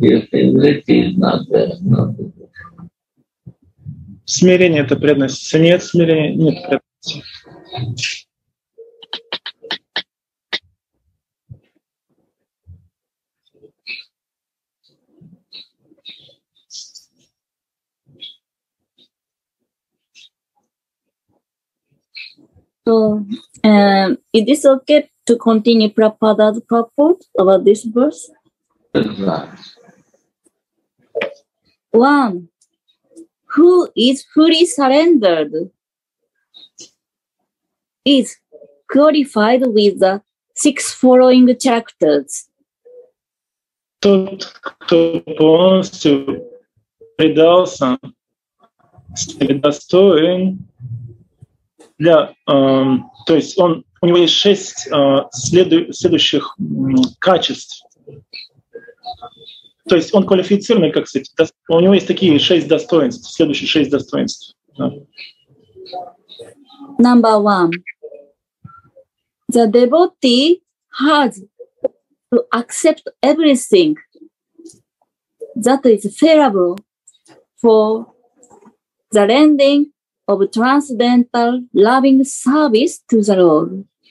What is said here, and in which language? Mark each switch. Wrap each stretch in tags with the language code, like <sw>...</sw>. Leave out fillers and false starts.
<en>If humility is not there, not the devotion.</en> <ru>Смирение — это преданность. Если нет смирения, нет преданности.</ru> <en>So, is this okay to continue Prabhupada's purport about this verse? One. Who is fully surrendered is qualified with the six following characters.</en> <ru>Тот, кто полностью предался, себе достоин для, то есть он, у него есть шесть следующих качеств. То есть он квалифицированный, как сказать, у него есть такие шесть достоинств, следующие шесть достоинств.</ru> <en>Number one. The devotee has to accept everything that is favorable for the rendering of transcendental loving service to the Lord.</en>